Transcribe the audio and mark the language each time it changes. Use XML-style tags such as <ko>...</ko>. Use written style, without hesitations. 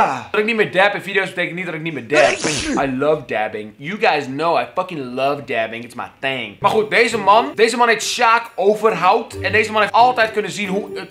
<nl>Dat ik niet meer dab in video's betekent niet dat ik niet meer dab.</nl> <en>I love dabbing. You guys know I fucking love dabbing. It's my thing.</en> <nl>Maar goed, deze man heet Sjaak Overhout. En deze man heeft altijd kunnen zien hoe...</nl>